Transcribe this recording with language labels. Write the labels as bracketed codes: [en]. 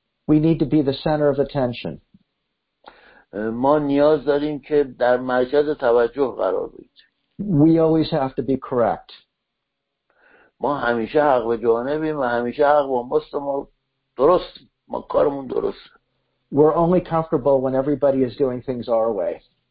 [en] We need to be the center of attention. [fa] ما نیاز داریم که در مرکز توجه قرار بگیریم. [en] We always have to be correct. [fa] ما همیشه حق به جانبیم و همیشه حق با ماست و ما درستیم. ما کارمون درست. [en] We're only comfortable when everybody is doing things our way.